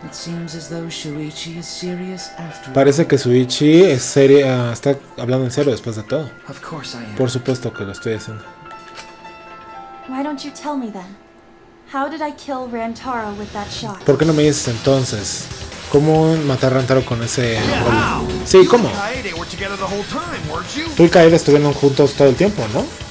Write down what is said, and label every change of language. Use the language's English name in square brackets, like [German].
[English] It seems as though Shuichi is serious after... [Spanish] Parece que Shuichi es seria, está hablando en serio después de todo. [English] Of course I am. [Spanish] Por supuesto que lo estoy haciendo. [English] Why don't you tell me then? How did I kill Rantaro with that shot? [Spanish] ¿Por qué no me dices entonces? ¿Cómo matar a Rantaro con ese golpe? Sí, ¿cómo? Tú y Kaede estuvieron juntos todo el tiempo, ¿no?